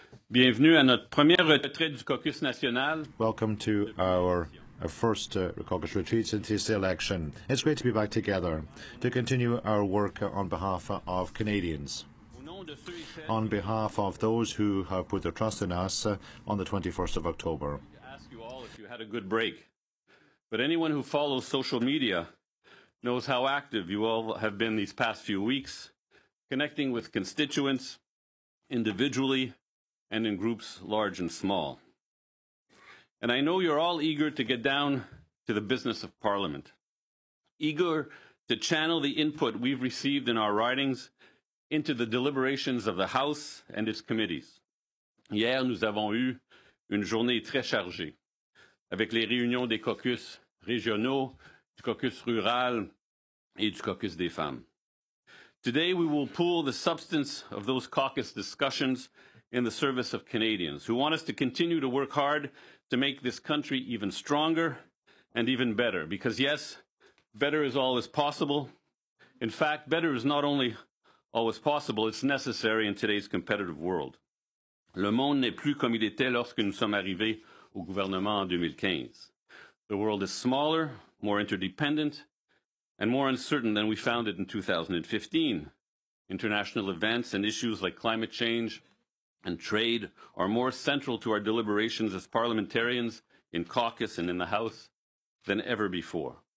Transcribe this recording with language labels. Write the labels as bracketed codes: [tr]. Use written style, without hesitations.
[fr] Bienvenue à notre premier retrait du caucus national. [en] Welcome to our first caucus retreat since this election. It's great to be back together to continue our work on behalf of Canadians. On behalf of those who have put their trust in us on the 21st of October. I'd like to ask you all if you had a good break. But anyone who follows social media knows how active you all have been these past few weeks, connecting with constituents individually and in groups large and small. And I know you're all eager to get down to the business of Parliament, eager to channel the input we've received in our ridings into the deliberations of the House and its committees. [fr] Hier, nous avons eu une journée très chargée, avec les réunions des caucus régionaux, du caucus rural et du caucus des femmes. [en] Today, we will pool the substance of those caucus discussions in the service of Canadians, who want us to continue to work hard to make this country even stronger and even better. Because yes, better is always possible. In fact, better is not only always possible, it's necessary in today's competitive world. [fr] Le monde n'est plus comme il était lorsque nous sommes arrivés au gouvernement en 2015. [en] The world is smaller, more interdependent, and more uncertain than we found it in 2015. International events and issues like climate change and trade are more central to our deliberations as parliamentarians in caucus and in the House than ever before.